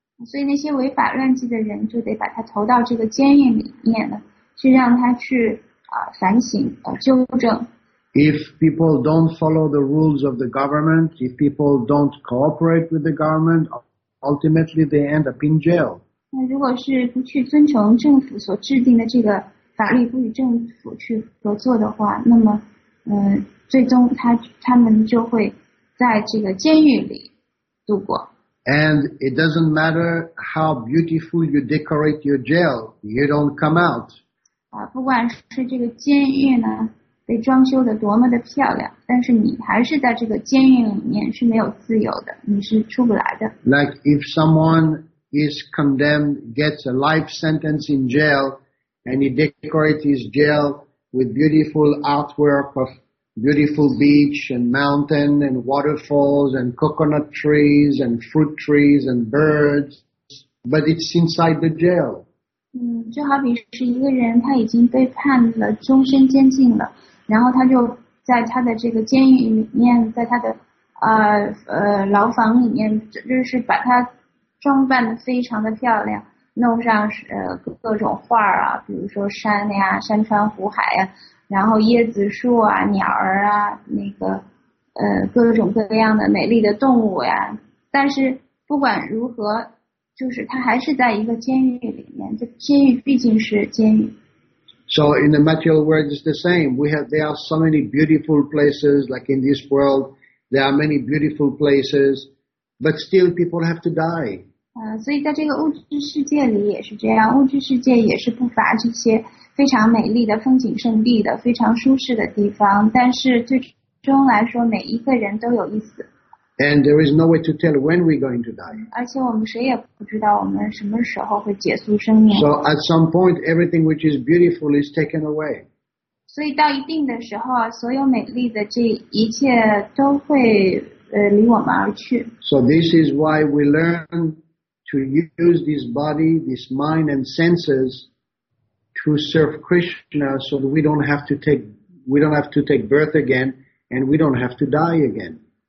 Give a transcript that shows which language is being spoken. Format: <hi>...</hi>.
<zh>所以那些违法乱纪的人就得把他投到这个监狱里面了，去让他去反省纠正。</zh> <en>If people don't follow the rules of the government, if people don't cooperate with the government, ultimately they end up in jail.</en> <zh>那如果是不去遵从政府所制定的这个法律，不与政府去合作的话，那么，最终他们就会在这个监狱里度过。</zh> <en>And it doesn't matter how beautiful you decorate your jail, you don't come out.</en> <zh>不管是这个监狱呢被装修的多么的漂亮，但是你还是在这个监狱里面是没有自由的，你是出不来的。</zh> <en>Like if someone is condemned, gets a life sentence in jail, and he decorates his jail with beautiful artwork of beautiful beach and mountain and waterfalls and coconut trees and fruit trees and birds, but it's inside the jail.</en> <zh>就好比是一个人，他已经被判了终身监禁了，然后他就在他的这个监狱里面，在他的牢房里面，就是把他装扮得非常的漂亮，弄上各种画啊，比如说山呀、山川湖海呀、然后椰子树啊、鸟儿啊，那个各种各样的美丽的动物呀。但是不管如何，就是他还是在一个监狱里面，这监狱毕竟是监狱。</zh> <en>So in the material world is the same. There are so many beautiful places, like in this world, there are many beautiful places, but still people have to die.</en> <zh>所以在这个物质世界里也是这样，物质世界也是不乏这些非常美丽的风景胜地的，非常舒适的地方，但是最终来说，每一个人都有一死。</zh> <en>And there is no way to tell when we're going to die.</en> <zh>而且我们谁也不知道我们什么时候会结束生命。</zh> <en>So at some point, everything which is beautiful is taken away.</en> <zh>所以到一定的时候，所有美丽的这一切都会离我们而去。</zh> <en>So this is why we learn to use this body, this mind and senses to serve Krishna, so that we don't have to take birth again, and we don't have to die again.</en>